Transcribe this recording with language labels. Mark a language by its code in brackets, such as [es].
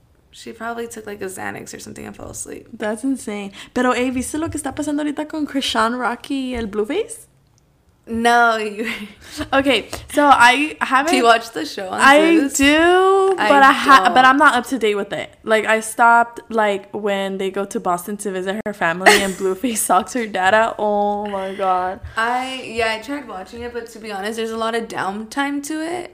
[en] She probably took, like, a Xanax or something and fell asleep. That's insane. [es] Pero, hey, ¿viste lo que está pasando ahorita con Chrisean, Rocky, y el Blueface? [en] No. Okay, so I haven't... Do you watch the show? I do, but I'm not up to date with it. Like, I stopped, like, when they go to Boston to visit her family and Blueface socks her dad out. Oh, my God. I tried watching it, but to be honest, there's a lot of downtime to it.